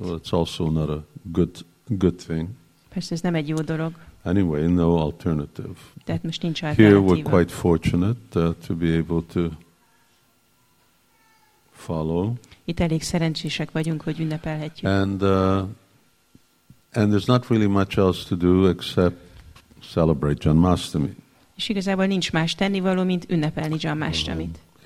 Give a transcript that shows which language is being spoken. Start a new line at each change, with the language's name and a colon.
English: Well, it's also not a good thing.
Hungarian: Persze ez nem egy jó dolog.
English: Anyway, no alternative.
Hungarian: Tehát most nincs alternatíva.
English: Here we're quite fortunate to be able to follow.
Hungarian: Itt elég szerencsések vagyunk, hogy ünnepelhetjük.
English: And there's not really much else to do except celebrate Janmashtami.
Hungarian: És igazából nincs más tennivaló, mint ünnepelni Janmashtamit.